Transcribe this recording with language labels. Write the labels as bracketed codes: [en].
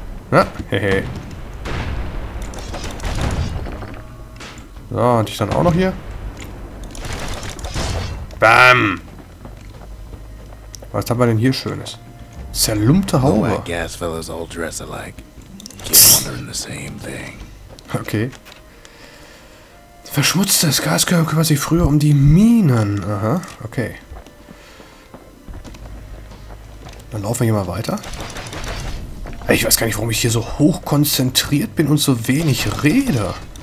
[de] Na, hehe. So, und ich dann auch noch hier. Bam! Was haben wir denn hier Schönes? Zerlumpte Haube. [en] No, gas fellas all dress alike. Keep wondering the same thing. [de] Okay. Verschmutztes Gaskörper kümmert sich früher um die Minen. Aha, okay. Dann laufen wir hier mal weiter. Ich weiß gar nicht, warum ich hier so hoch konzentriert bin und so wenig rede.